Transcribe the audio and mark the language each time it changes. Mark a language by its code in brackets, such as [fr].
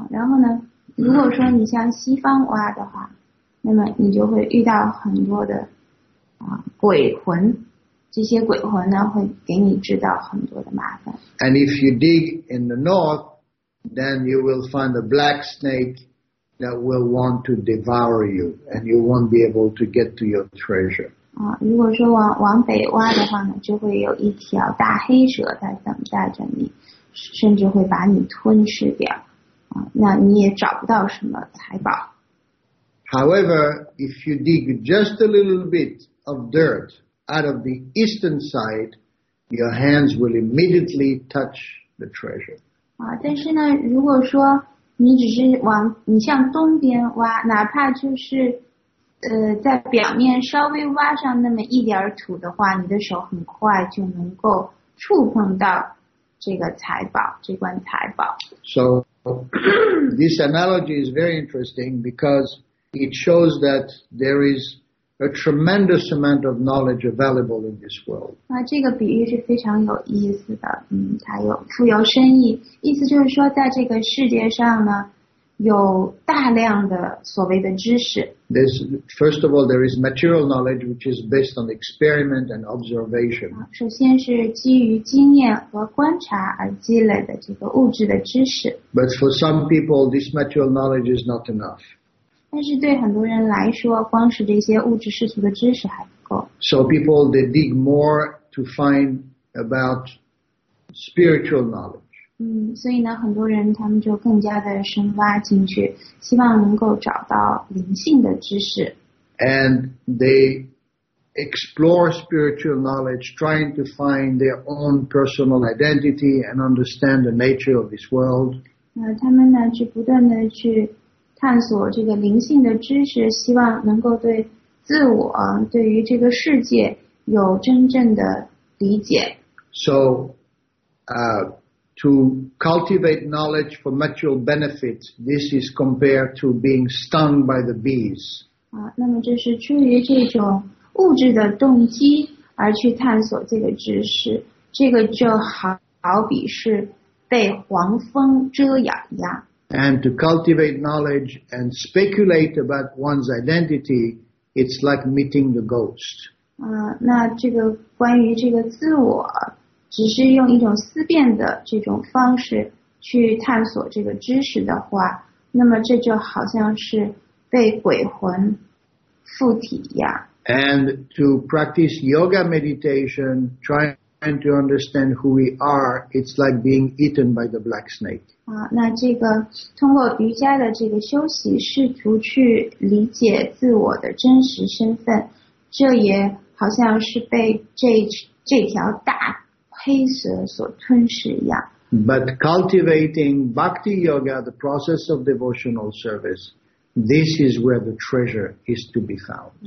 [zh] 啊，然后呢，如果说你向西方挖的话。那么你就会遇到很多的鬼魂，这些鬼魂呢会给你制造很多的麻烦。 [en] And if you dig in the north, then you will find a black snake that will want to devour you, and you won't be able to get to your treasure. [zh] 啊，如果说往北挖的话呢，就会有一条大黑蛇在等待着你，甚至会把你吞噬掉。啊，那你也找不到什么财宝。 [en] However, if you dig just a little bit of dirt out of the eastern side, your hands will immediately touch the treasure. [zh] 啊，但是呢，如果说你只是你向东边挖，哪怕就是在表面稍微挖上那么一点土的话，你的手很快就能够触碰到这个财宝，这罐财宝。 [en] So this analogy is very interesting because. It shows that there is a tremendous amount of knowledge available in this world. [zh] 那这个比喻是非常有意思的，它有富有深意，意思就是说，在这个世界上呢，有大量的所谓的知识。 [en] There's first of all, there is material knowledge which is based on experiment and observation. [zh] 首先是基于经验和观察而积累的这个物质的知识。 [en] But for some people, this material knowledge is not enough. [zh] 但是对很多人来说，光是这些物质世俗的知识还不够。 [en] So people they dig more to find about spiritual knowledge. [zh] 所以呢，很多人他们就更加的深挖进去，希望能够找到灵性的知识。 [en] And they explore spiritual knowledge, trying to find their own personal identity and understand the nature of this world. [zh] 那他们呢，就不断的去。探索这个灵性的知识，希望能够对自我，对于这个世界有真正的理解。 [en] So, to cultivate knowledge for material benefit, this is compared to being stung by the bees. [zh] 啊，那么这是出于这种物质的动机而去探索这个知识，这个就好比是被黄蜂蛰咬一样。 [en] And to cultivate knowledge and speculate about one's identity, it's like meeting the ghost. [zh] 那这个关于这个自我，只是用一种思辨的这种方式去探索这个知识的话，那么这就好像是被鬼魂附体一样。 [en] And to practice yoga meditation, trying to understand who we are, it's like being eaten by the black snake. [zh] 啊，那这个通过瑜伽的这个休息，试图去理解自我的真实身份，这也好像是被这条大黑蛇所吞噬一样。 [en] But cultivating bhakti yoga, the process of devotional service, this is where the treasure is to be found.